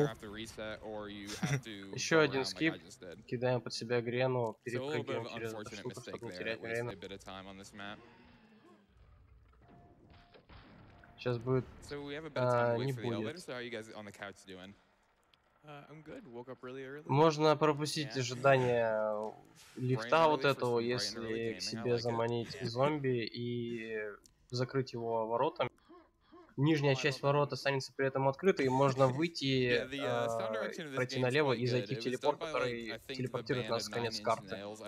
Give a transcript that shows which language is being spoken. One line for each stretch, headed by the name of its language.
Russian: Еще один скип, кидаем под себя грену, перепрыгиваем через штуку, чтобы не терять время.
English: A bit of time on this map.
Russian: Сейчас будет.
English: So we have a bit of time to wait for the elevator. So how are you guys on the couch doing? I'm good. Woke up really early.
Russian: Можно пропустить ожидание лифта вот этого, если к себе заманить зомби и закрыть его воротами. Нижняя часть ворот останется при этом открытой, и можно выйти, пройти налево и зайти в телепорт, который телепортирует нас в конец карты.